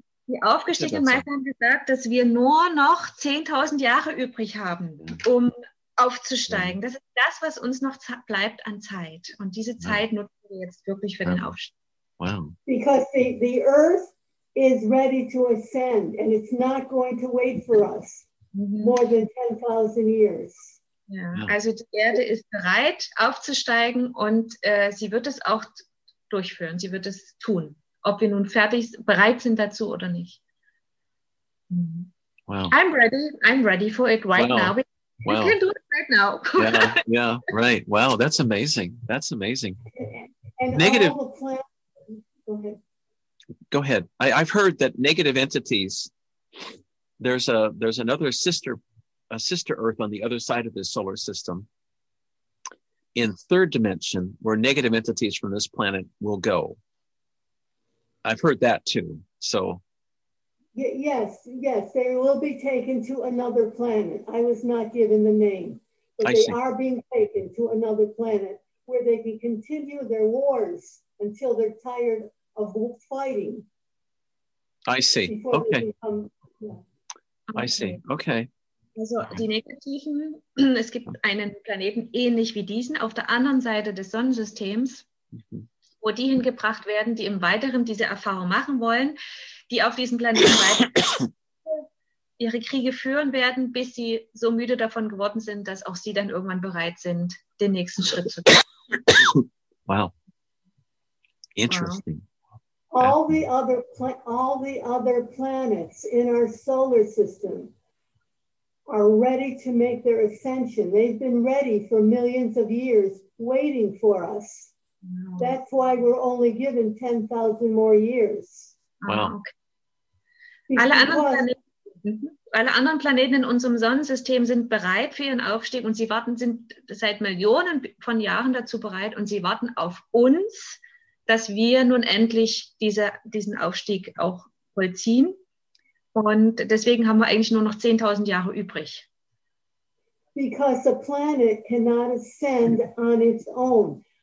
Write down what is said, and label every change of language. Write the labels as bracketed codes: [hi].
[de] Die aufgestiegenen Meister haben gesagt, dass wir nur noch 10.000 Jahre übrig haben, um aufzusteigen. Das ist das, was uns noch bleibt an Zeit. Und diese Zeit nutzen wir jetzt wirklich für den Aufstieg. [en] Wow. Because the earth is ready to ascend and it's not going to wait for us more than 10.000 years. [de] Ja, also die Erde ist bereit aufzusteigen und sie wird es auch durchführen. Sie wird es tun, ob wir nun bereit sind dazu oder nicht. [en] Wow. I'm ready for it right now. We can do it right now. yeah, right. Wow, that's amazing. That's amazing. And negative. Go ahead. I've heard that negative entities, there's another sister, a sister Earth on the other side of this solar system in third dimension where negative entities from this planet will go. I've heard that too. So. Yes. They will be taken to another planet. I was not given the name. But they are being taken to another planet where they can continue their wars until they're tired of fighting. I see. Okay. Okay. [de] Also die Negativen, es gibt einen Planeten ähnlich wie diesen auf der anderen Seite des Sonnensystems, wo die hingebracht werden, die im Weiteren diese Erfahrung machen wollen, die auf diesem Planeten weiter ihre Kriege führen werden, bis sie so müde davon geworden sind, dass auch sie dann irgendwann bereit sind, den nächsten Schritt zu tun. [en] Wow. Interesting. Wow. All the other planets in our solar system are ready to make their ascension. They've been ready for millions of years waiting for us. No. That's why we're only given 10,000 more years. Wow. [de] Alle anderen Planeten in unserem Sonnensystem sind bereit für ihren Aufstieg und sie warten, sind seit Millionen von Jahren dazu bereit und sie warten auf uns, dass wir nun endlich diesen Aufstieg auch vollziehen. Und deswegen haben wir eigentlich nur noch 10.000 Jahre übrig. [en] Because the planet cannot ascend on its own.